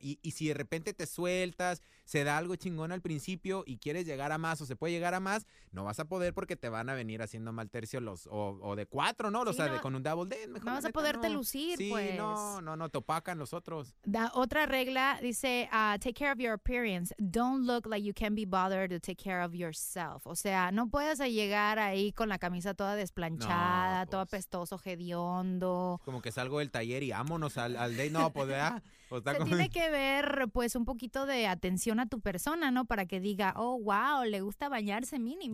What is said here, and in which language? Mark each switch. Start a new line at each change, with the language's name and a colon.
Spanish: Y si de repente te sueltas, se da algo chingón al principio y quieres llegar a más o se puede llegar a más, no vas a poder porque te van a venir haciendo mal tercio los o de cuatro, ¿no? O sea, no, con un double date. Mejor no vas a poderte lucir, sí, pues. Sí, no, te opacan los otros.
English: Da,
Spanish: otra regla dice,
English: take care of your appearance. Don't look like you can be bothered to take care of yourself.
Spanish: O sea, no puedes llegar ahí con la camisa toda desplanchada, no, pues, todo apestoso, hediondo. Como que salgo del taller y vámonos al date. No, pues, ¿verdad? Tiene que ver, pues, un poquito de atención a tu persona, ¿no? Para que diga, oh, wow, le gusta bañarse mínimo.